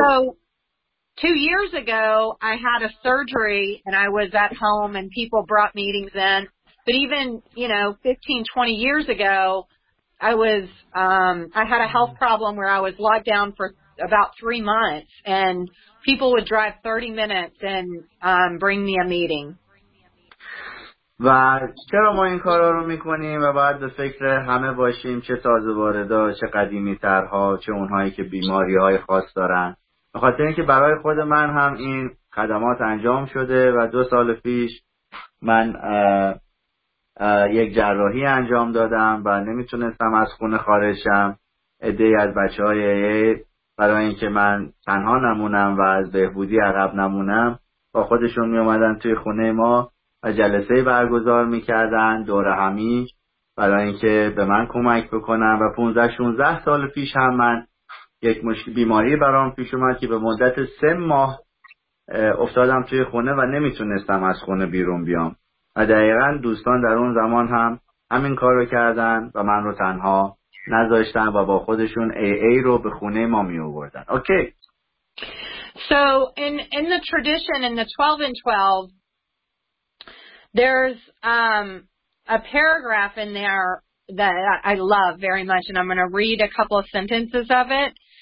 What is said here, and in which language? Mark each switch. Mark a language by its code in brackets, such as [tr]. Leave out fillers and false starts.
[en] So 2 years ago, I had a surgery and I was at home and people brought meetings in. But even, you know, 15-20 years ago, I was I had a health problem where I was locked down for about 3 months, and people would drive 30 minutes and bring me a meeting. [fa] و چرا ما این کارا رو میکنیم و باید به فکر همه باشیم، چه تازه واردا، چه قدیمی ترها، چه اونهایی که بیماری های خاص دارن. به خاطر اینکه برای خود من هم این خدمات انجام شده و 2 سال پیش من یک جراحی انجام دادم و نمیتونستم از خونه خارج شم. عده‌ای از بچه‌های AA برای اینکه من تنها نمونم و از بهبودی عقب نمونم با خودشون میومدن توی خونه ما و جلسه برگزار میکردن دور همی برای اینکه به من کمک بکنن. و 15-16 سال پیش هم من یک مشکل بیماری برام پیش اومد که به مدت 3 ماه افتادم توی خونه و نمیتونستم از خونه بیرون بیام و دقیقا دوستان در اون زمان هم همین کار رو کردن و من رو تنها نذاشتن و با خودشون AA رو به خونه ما میووردن. اوکی. [en] So in the tradition in the 12 and 12, there's a paragraph in there that I love very much, and I'm going to read a couple of sentences of it.